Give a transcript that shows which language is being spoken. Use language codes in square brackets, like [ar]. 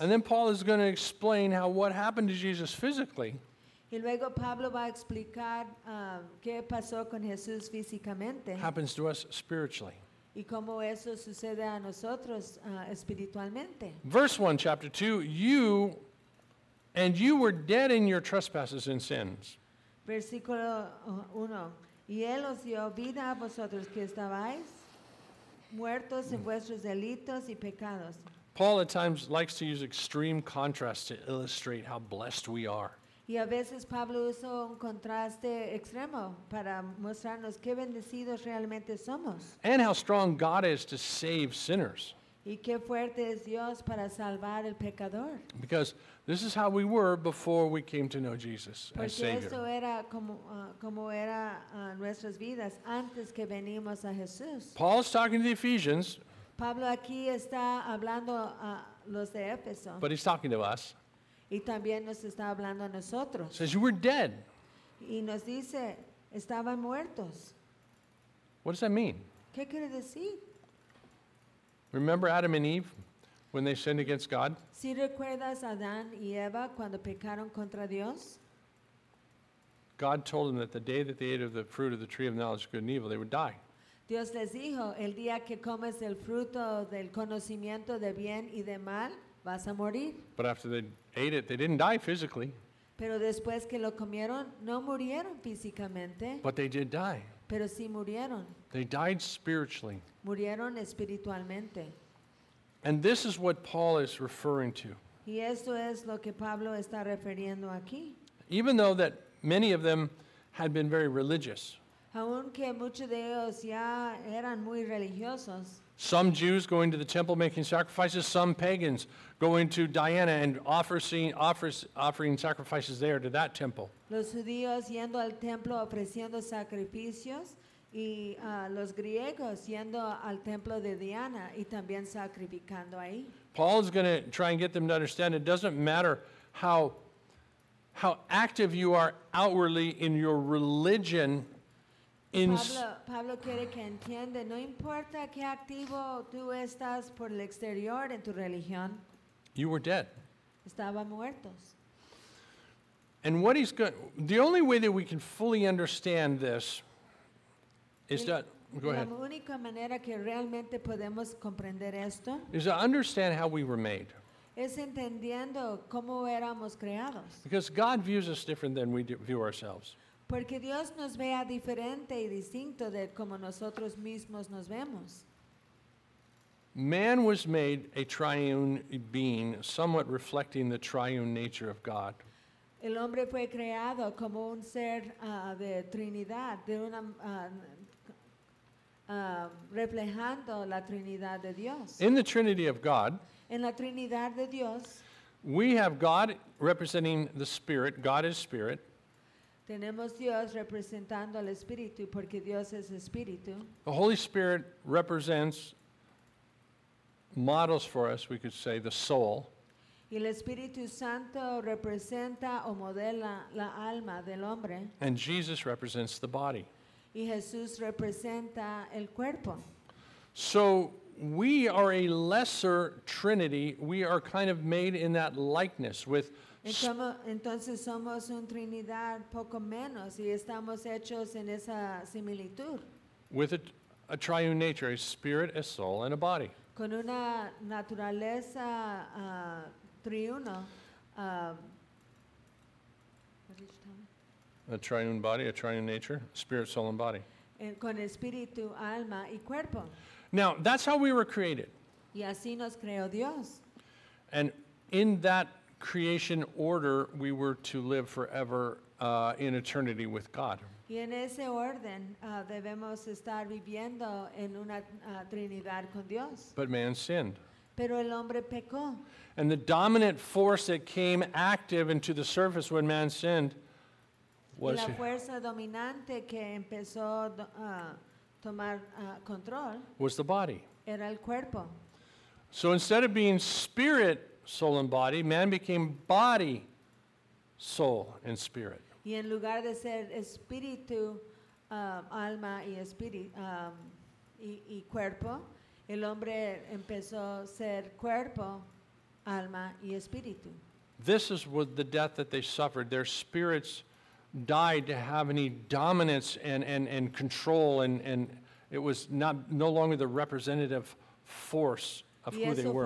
[en] And then Paul is going to explain how what happened to Jesus physically. [es] Y luego Pablo va a explicar qué pasó con Jesús físicamente. [en] Happens to us spiritually. [es] Y cómo eso sucede a nosotros espiritualmente. [en] Verse 1, chapter 2, you were dead in your trespasses and sins. [es] Versículo 1, y él os dio vida a vosotros que estabais muertos en vuestros delitos y pecados. [en] Paul at times likes to use extreme contrast to illustrate how blessed we are. [es] Y a veces Pablo usa un contraste extremo para mostrarnos qué bendecidos realmente somos. [en] And how strong God is to save sinners. [es] Y qué fuerte es Dios para salvar el pecador. [en] Because this is how we were before we came to know Jesus [es] Porque [en] as Savior. [es] Porque eso era como era nuestras vidas antes que venimos a Jesús. [en] Paul's talking to the Ephesians. [es] Pablo aquí está hablando a los de Éfeso. [en] But he's talking to us. [es] Y también nos está hablando a nosotros. [en] Says you were dead. [es] Y nos dice, estaban muertos. [en] What does that mean? [es] ¿Qué quiere decir? [en] Remember Adam and Eve when they sinned against God? [es] ¿Sí recuerdas a Adán y Eva cuando pecaron contra Dios? [en] God told them that the day that they ate of the fruit of the tree of knowledge of good and evil, they would die. [es] Dios les dijo, el día que comes el fruto del conocimiento de bien y de mal, vas a morir. [en] But after they ate it, they didn't die physically. [es] Pero después que lo comieron, no murieron físicamente. [en] But they did die. [es] Pero sí murieron. [en] They died spiritually. [es] Murieron espiritualmente. [en] And this is what Paul is referring to. [es] Y esto es lo que Pablo está refiriendo aquí. [en] Even though that many of them had been very religious. [es] Aunque muchos de ellos ya eran muy religiosos. [en] Some Jews going to the temple making sacrifices, some pagans going to Diana and offering sacrifices there to that temple. [es] Los judíos yendo al templo ofreciendo sacrificios y los griegos yendo al templo de Diana y también sacrificando ahí. [en] Paul is going to try and get them to understand it doesn't matter how active you are outwardly in your religion. [es] Pablo quiere que entiende, no importa qué activo tú estás por el exterior en tu religión. [en] You were dead. [es] Estaban muertos. [en] And what he's going, the only way that we can fully understand this is that, go ahead. [es] La única manera que realmente podemos comprender esto [en] is to understand how we were made. [es] Es entendiendo cómo éramos creados. [en] Because God views us different than we view ourselves. [es] Porque Dios nos vea diferente y distinto de como nosotros mismos nos vemos. [en] Man was made a triune being, somewhat reflecting the triune nature of God. [es] El hombre fue creado como un ser de Trinidad, de una reflejando la Trinidad de Dios. [en] In the Trinity of God. [es] En la Trinidad de Dios. [en] We have God representing the Spirit. God is Spirit. [es] Tenemos Dios representando al Espíritu porque Dios es Espíritu. [en] The Holy Spirit represents, models for us, we could say, the soul. [es] Y el Espíritu Santo representa o modela la alma del hombre. [en] And Jesus represents the body. [es] Y Jesús representa el cuerpo. [en] So we are a lesser Trinity. We are kind of made in that likeness with [es] Entonces somos un Trinidad poco menos y estamos hechos en esa similitud. [en] With a triune nature, a spirit, a soul, and a body. [es] con una naturaleza triuno. [en] A triune body, a triune nature, spirit, soul, and body. [es] Con espíritu, alma y cuerpo. [en] Now, that's how we were created. [es] Y así nos creó Dios. [en] And in that creation order, we were to live forever in eternity with God. [es] Y en ese orden, debemos estar viviendo en una Trinidad con Dios. [en] But man sinned. [es] Pero el hombre pecó. [en] And the dominant force that came active into the surface when man sinned was [es] la fuerza dominante que empezó a tomar control [en] was the body. [es] Era el cuerpo. [en] So instead of being spirit, soul, and body, man became body, soul, and spirit. [es] Y en lugar de ser espíritu, alma y espíritu y cuerpo, el hombre empezó a ser cuerpo, alma y espíritu. [en] This is what the death that they suffered. Their spirits died to have any dominance and control, and it was no longer the representative force of who they were.